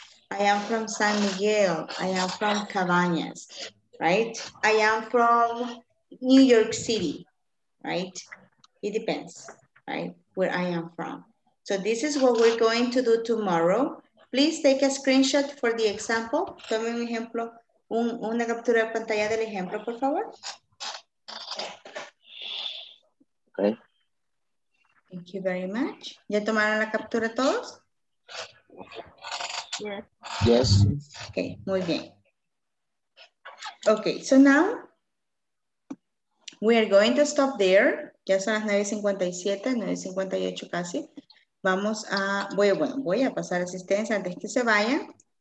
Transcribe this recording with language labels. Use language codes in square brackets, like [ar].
[en] I am from San Miguel. I am from Cabañas, right? I am from New York City, right? It depends, right? Where I am from. So this is what we're going to do tomorrow. Please take a screenshot for the example. [es] Tome un ejemplo, una captura de pantalla del ejemplo, por favor. [en] Okay. Thank you very much. [es] ¿Ya tomaron la captura todos? [en] Yes. [es] Okay, muy bien. [en] Okay, so now we are going to stop there. [es] Ya son las 9:57, 9:58 casi. Vamos a, voy a pasar asistencia antes que se vayan.